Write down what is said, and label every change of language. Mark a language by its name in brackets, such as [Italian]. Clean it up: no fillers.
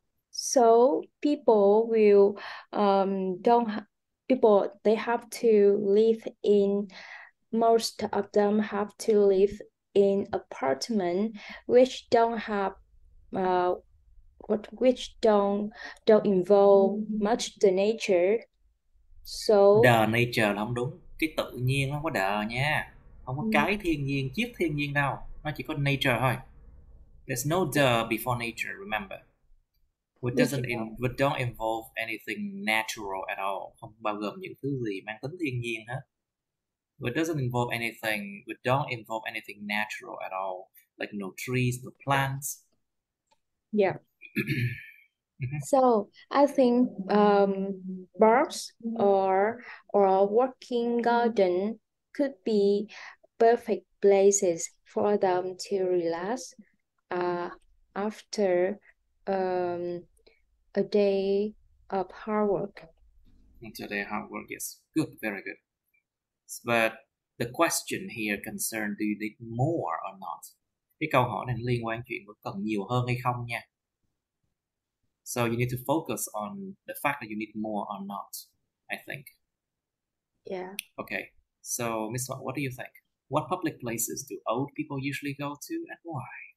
[English] So people will they have to live in. Most of them have to live in apartment which don't have which don't involve much the nature. So [Vietnamese] the nature là không đúng, cái tự nhiên không có the nha, không có cái thiên nhiên, chiếc thiên nhiên đâu, nó chỉ có nature thôi. [English] There's no the before nature, remember, which doesn't which don't involve anything natural at all, [Vietnamese] không bao gồm những thứ gì mang tính thiên nhiên hết. [English] It doesn't involve anything, it don't involve anything natural at all, like no trees, no plants. Yeah. So I think parks or a working garden could be perfect places for them to relax after a day of hard work. Today hard work, yes. Good, very good. But the question here concerned, do you need more or not? [Vietnamese] Cái câu hỏi này liên quan chuyện có cần nhiều hơn hay không nha. [English] So you need to focus on the fact that you need more or not, I think. Yeah. Okay. So, Miss Wang, what do you think? What public places do old people usually go to and why?